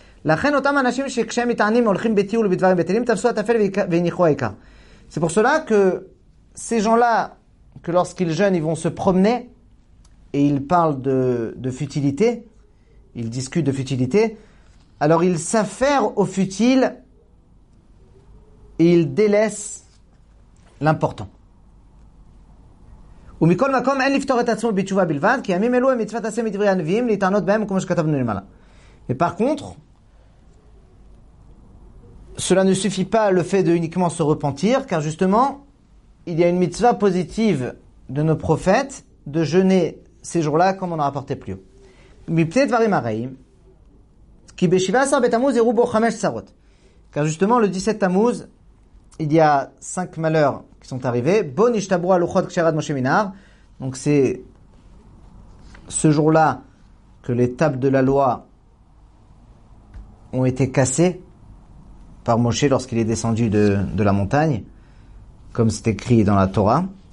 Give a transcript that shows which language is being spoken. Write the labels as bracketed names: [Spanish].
[French] C'est pour cela que ces gens-là, que lorsqu'ils jeûnent, ils vont se promener et ils parlent de futilité, ils discutent de futilité, alors ils s'affairent au futile et ils délaissent l'important. [Hebrew] ומכל מקום אין לפתור את עצמו בתשובה בלבד, כי ימים אלו הם מצוות עשה מדברי הנביאים להתענות בהם כמו שכתבנו למעלה. [French] Et par contre, cela ne suffit pas le fait de uniquement se repentir, car justement, il y a une mitzvah positive de nos prophètes de jeûner ces jours-là comme on a rapporté plus haut. [Hebrew] מפני דברים הרעים, כי ב-17 בתמוז יראו בו חמש צרות. [French] Car justement, le 17 Tammuz, il y a cinq malheurs qui sont arrivés. [Hebrew] Bon ishtabro alouchot ksherad moshe minar. [French] Donc c'est ce jour-là que les tables de la loi ont été cassées par Moshe lorsqu'il est descendu de la montagne, comme c'est écrit dans la Torah.